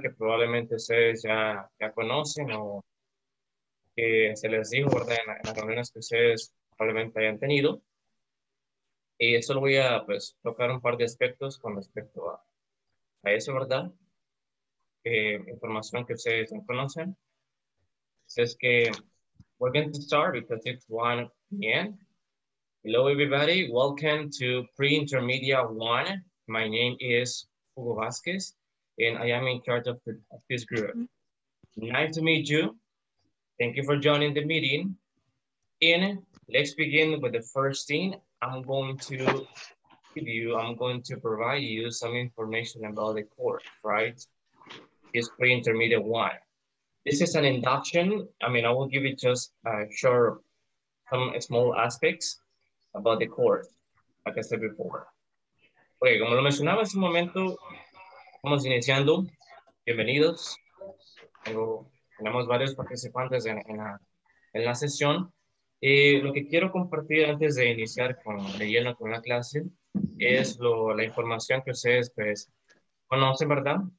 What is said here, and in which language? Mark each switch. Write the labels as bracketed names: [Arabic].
[Spanish] Que probablemente ustedes ya conocen o que se les dijo, ¿verdad? En las reuniones que ustedes probablemente hayan tenido. Y solo voy a pues tocar un par de aspectos con respecto a eso, ¿verdad? Información que ustedes no conocen. Es que [English] we're going to start because it's 1 p.m. Hello, everybody. Welcome to pre-intermediate 1. My name is Hugo Vasquez, and I am in charge of this group. Nice to meet you. Thank you for joining the meeting. And let's begin with the first thing. I'm going to provide you some information about the course, right? It's pre-intermediate 1. This is an induction. I mean, I will give you just a short, some small aspects about the course, like I said before. [Spanish] Okay, como lo mencionaba hace un momento, estamos iniciando. Bienvenidos. Tenemos varios participantes en la sesión. Lo que quiero compartir antes de iniciar de lleno con la clase es la información que ustedes pues, conocen, ¿verdad?